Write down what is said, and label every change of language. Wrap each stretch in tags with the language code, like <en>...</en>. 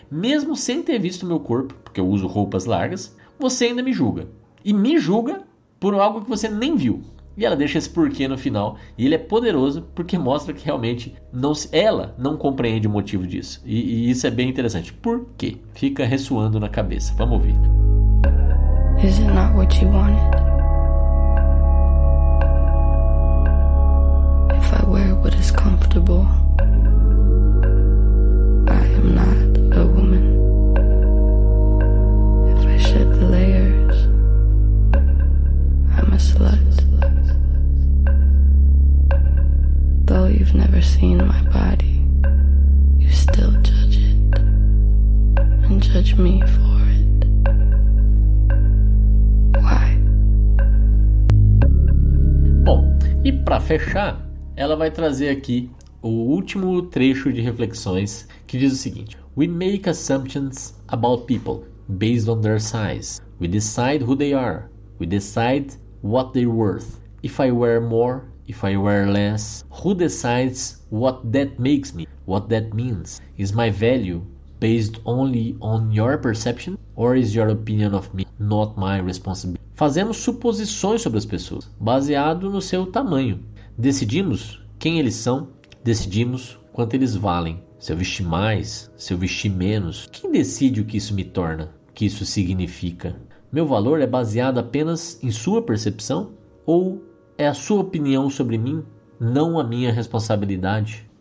<pt>Mesmo sem ter visto meu corpo, porque eu uso roupas largas, você ainda me julga. E me julga por algo que você nem viu. E ela deixa esse porquê no final. E ele é poderoso porque mostra que realmente não, ela não compreende o motivo disso. E isso é bem interessante. Por quê? Fica ressoando na cabeça. Vamos ouvir.</pt> <en>Is it not what you wanted? I wear what is comfortable. I am not a woman. If I shed the layers, I'm a slut. Though you've never seen my body, you still judge it and judge me for it. Why?</en> <pt>Bom, e para fechar, ela vai trazer aqui o último trecho de reflexões que diz o seguinte:</pt> <en>We make assumptions about people based on their size. We decide who they are. We decide what they're worth. If I wear more, if I wear less, who decides what that makes me? What that means? Is my value based only on your perception? Or is your opinion of me not my responsibility?</en> <pt>Fazemos suposições sobre as pessoas baseado no seu tamanho. Decidimos quem eles são, decidimos quanto eles valem. Se eu vestir mais, se eu vestir menos, quem decide o que isso me torna, o que isso significa? Meu valor é baseado apenas em sua percepção? Ou é a sua opinião sobre mim, não a minha responsabilidade?</pt>